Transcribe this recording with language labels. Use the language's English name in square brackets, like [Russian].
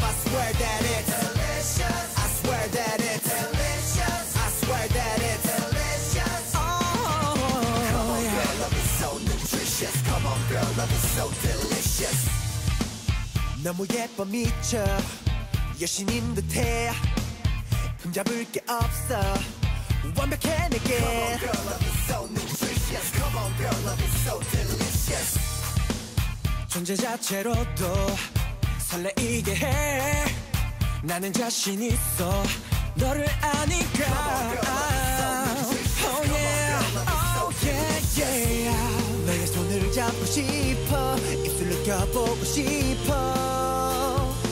[English] I swear that it's delicious. I swear that it's delicious. I swear that it's delicious. Oh, come on, yeah. Girl, love is so nutritious. Come on, girl, love is so delicious. [Korean] 너무 예뻐 미쳐 여신인 듯해 흠잡을 게 없어 완벽해 내게. [English] Come on, girl, love is so nutritious. Come on, girl, love is so delicious. [Korean] 존재 자체로도 설레이게 해. 나는 자신 있어 너를 아니까. [English] Oh yeah, oh yeah, yeah. [Korean] 너의 손을 잡고 싶어. 입술 느껴보고 싶어.